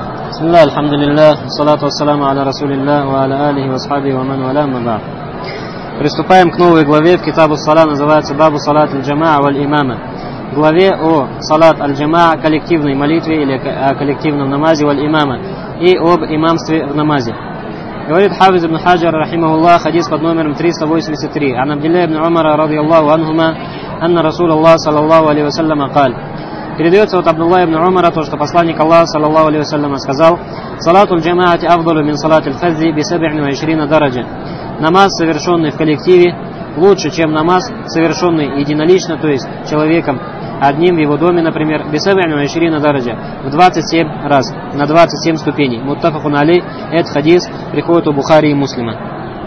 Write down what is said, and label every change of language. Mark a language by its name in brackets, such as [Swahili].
[Arabic] بسم الله الحمد لله والصلاة والسلام على رسول الله وعلى آله وصحبه ومن والاه أما بعد. [Russian] Приступаем к новой главе в Китабу Сала, называется Бабу Салат аль-Джамаа валь-Имама. Главе о Салат аль-Джамаа, коллективной молитве или о коллективном намазе валь-Имама и об имамстве в намазе. Говорит Хафиз ибн Хаджар рахимаху Аллах, хадис под номером 383. [Arabic] عن عبد الله بن عمر رضي الله عنهما أن رسول الله صلى الله عليه وسلم قال. [Russian] Передается от Абдуллах ибн Умара то, что посланник Аллаха, саллаллаху алейхи ва саллям, сказал: «Салату аль-джамаати афдалу мин салати аль-фазди би 27 дараджа». Намаз, совершенный в коллективе, лучше, чем намаз, совершенный единолично, то есть человеком, одним в его доме, например, би 27 дараджа, в 27 раз, на 27 ступеней. Муттафакун алейхи, этот хадис приходит у Бухари и Муслима.